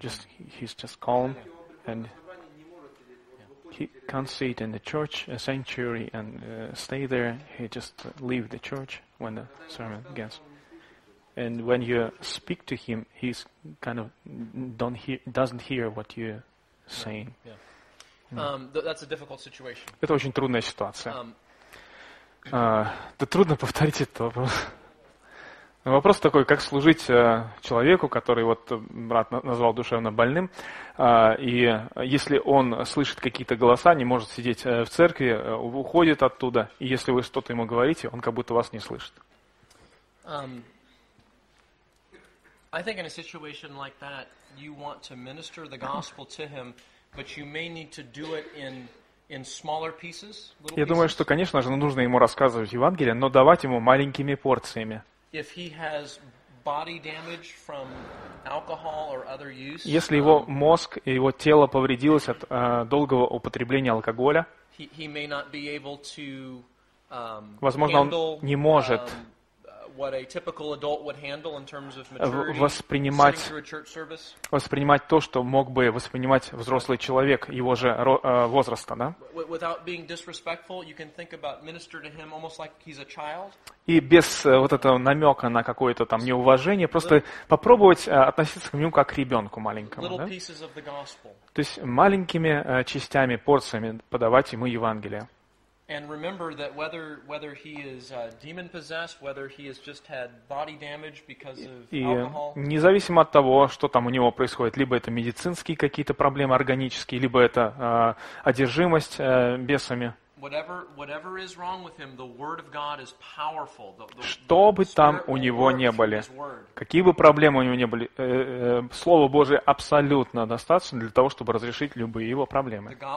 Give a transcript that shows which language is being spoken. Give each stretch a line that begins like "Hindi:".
English: Just he's just calm, and he can't sit in the church, a sanctuary, and stay there. He just leave the church when the sermon begins. And when you speak to him, he's kind of doesn't hear what you're saying. Yeah. That's a difficult situation.
Russian: Это очень трудная ситуация. Да трудно повторить этот вопрос. Вопрос такой, как служить человеку, который вот брат назвал душевно больным, и если он слышит какие-то голоса, не может сидеть в церкви, уходит оттуда, и если вы что-то ему говорите, он как будто вас не слышит.
English: I think in a situation like that, you want to minister the gospel to him, but you may need to do it in smaller pieces.
Russian: Я думаю, что, конечно же, нужно ему рассказывать Евангелие, но давать ему маленькими порциями.
English: If he has body damage from alcohol or other use,
Russian: если его мозг и его тело повредилось от долгого употребления алкоголя,
English: he may not be able to,
Russian: возможно,
English: handle,
Russian: он не может
English: what a typical adult would handle in terms of maturity,
Russian: воспринимать то, что мог бы воспринимать взрослый человек его же возраста, да?
English: Without being disrespectful, you can think about minister to him almost like he's a child.
Russian: И без вот этого намека на какое-то там неуважение, просто попробовать относиться к нему как к ребенку маленькому, да?
English: Pieces of the gospel.
Russian: То есть маленькими частями, порциями подавать ему Евангелие.
English: And remember that whether he is demon possessed, whether he has just had body damage because of alcohol.
Russian: И независимо от того, что там у него происходит, либо это медицинские какие-то проблемы органические, либо это одержимость бесами.
English: Whatever is wrong with him, the word of God is powerful.
Russian: Что бы там у него не были, какие бы проблемы у него не были, слово Божие абсолютно достаточно для того, чтобы разрешить любые его проблемы.